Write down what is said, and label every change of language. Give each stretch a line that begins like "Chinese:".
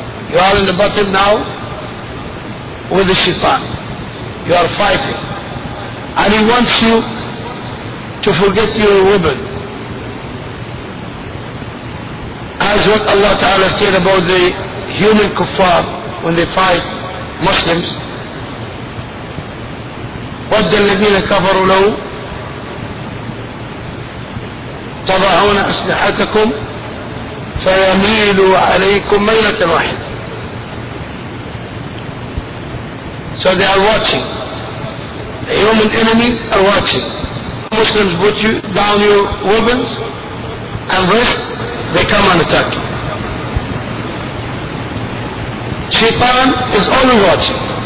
English: You are in the battle now with the Shaitan. You are fighting. And he wants you to forget your weapon. As what Allah Ta'ala said about the human kuffar when they fight Muslims.
Arabic: ود الذين كفروا لو تضعون أسلحتكم فيميلوا عليكم ميلة واحدة.
English: So they are watching. The human enemies are watching. Muslims put you down your weapons and rest, they come and attack you. Shaitan is only watching.